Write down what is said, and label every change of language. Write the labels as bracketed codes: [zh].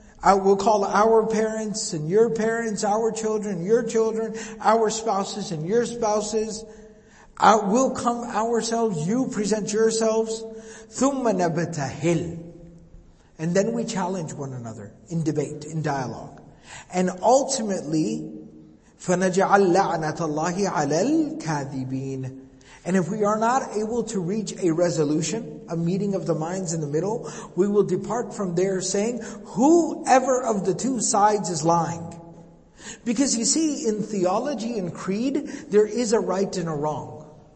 [en] I will call our parents and your parents, our children, your children, our spouses and your spouses. I will come ourselves, you present yourselves, [ar] ثُمَّ نَبْتَهِلْ. [en] And then we challenge one another in debate, in dialogue. And ultimately, [ar] فَنَجْعَلْ لَعْنَةَ اللَّهِ عَلَى الْكَاذِبِينَ. [en] And if we are not able to reach a resolution, a meeting of the minds in the middle, we will depart from there saying, whoever of the two sides is lying. Because you see, in theology and creed, there is a right and a wrong.